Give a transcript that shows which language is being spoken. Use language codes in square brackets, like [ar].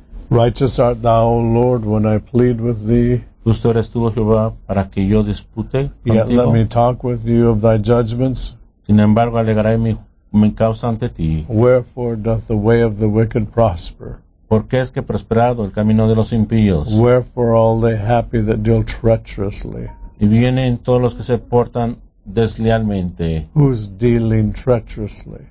[en] Righteous art thou, O Lord, when I plead with thee. [es] Justo eres tú, Jehová, para que yo dispute contigo. [en] Yet let me talk with you of thy judgments. [es] Sin embargo, alegaré mi causa ante ti. [en] Wherefore doth the way of the wicked prosper? [es] ¿Por qué es que prosperado el camino de los impíos? [en] Wherefore all they happy that deal treacherously? [es] Y vienen todos los que se portan deslealmente. [en] Who's dealing treacherously?